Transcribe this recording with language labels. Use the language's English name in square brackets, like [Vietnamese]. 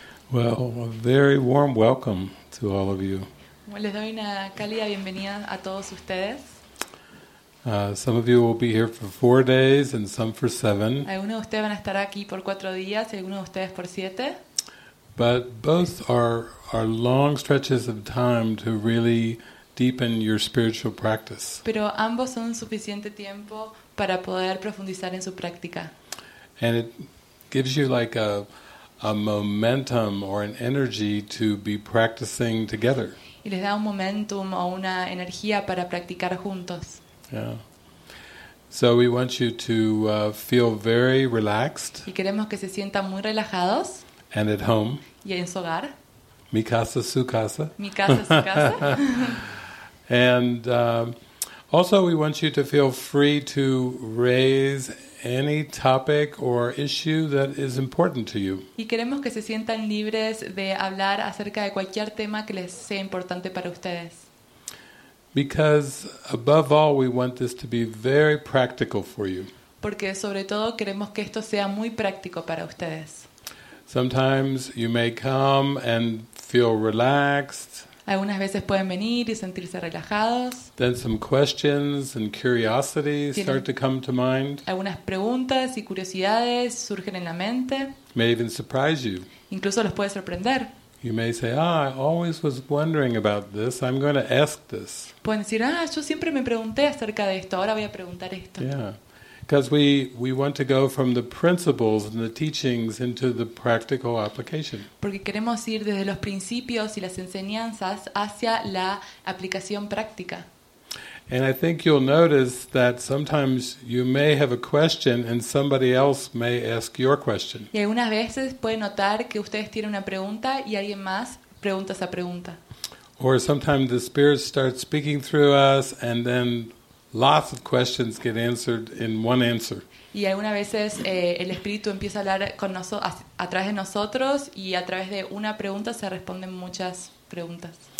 [English] Well, a very warm welcome to all of you. [Spanish] Les doy una cálida bienvenida a todos ustedes. [English] Some of you will be here for 4 days and some for 7. [Spanish] Algunos de ustedes van a estar aquí por 4 días y algunos de ustedes por 7. [English] But both are long stretches of time to really deepen your spiritual practice. [Spanish] Pero ambos son suficiente tiempo para poder profundizar en su práctica. [English] And it gives you like a momentum or an energy to be practicing together. [Spanish] Y les da un momentum o una energía para practicar juntos. [English] Yeah. So we want you to feel very relaxed. [Spanish] Y queremos que se sientan muy relajados. [English] And at home. [Spanish] Y en su hogar. Mi casa, su casa. Mi casa, su casa. [English] And also, we want you to feel free to raise any topic or issue that is important to you. [Spanish] Y queremos que se sientan libres de hablar acerca de cualquier tema que les sea importante para ustedes. [English] Because above all, we want this to be very practical for you. [Spanish] Porque sobre todo queremos que esto sea muy práctico para ustedes. [English] Sometimes you may come and feel relaxed. [Spanish] Algunas veces pueden venir y sentirse relajados. [English] Then some questions and curiosity start to come to mind. [Spanish] Algunas preguntas y curiosidades surgen en la mente. [English] May even surprise you. [Spanish] Incluso los puede sorprender. [English] You may say, "Ah, I always was wondering about this. I'm going to ask this." [Spanish] Pueden decir, "Ah, yo siempre me pregunté acerca de esto. Ahora voy a preguntar esto." [English] Yeah. Because we want to go from the principles and the teachings into the practical application. [Spanish] Porque queremos ir desde los principios y las enseñanzas hacia la aplicación práctica. [English] And I think you'll notice that sometimes you may have a question and somebody else may ask your question. [Spanish] Y algunas veces pueden notar que ustedes tienen una pregunta y alguien más pregunta esa pregunta. [English] Or sometimes the spirit starts speaking through us and then lots of questions get answered in one answer. [Spanish] Y algunas veces el espíritu empieza a hablar con nosotros a través de nosotros y a través de una pregunta se responden muchas preguntas.